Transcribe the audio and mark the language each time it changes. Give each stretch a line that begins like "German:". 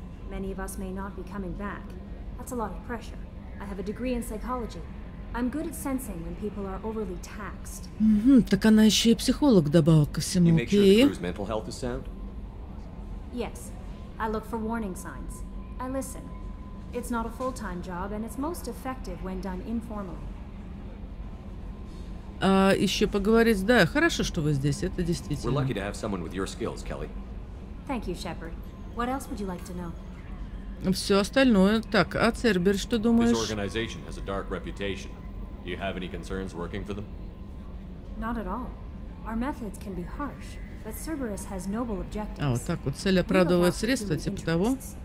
English: Many of us may not be coming back. That's a lot of pressure. I have a degree in psychology. I'm good at sensing when people are overly taxed.
Russian: Так она еще и психолог добавок ко всему.
English: You make sure the crew's mental health is sound? Yes. I look for warning signs. I listen. It's not a full-time job, and it's most effective when done informally.
Russian: А еще поговорить, да, хорошо, что вы здесь, это действительно.
English: We're lucky to have someone with your skills, Kelly. Thank you, Shepard. What else would you like to know?
Russian: Все остальное. Так, а Цербер, что думаешь?
English: This organization has a dark reputation. Do you have any concerns working for them? Not at all. Our methods can be harsh, but Cerberus has noble objectives.
Russian: А, вот так вот, цель оправдывает средства, типа того.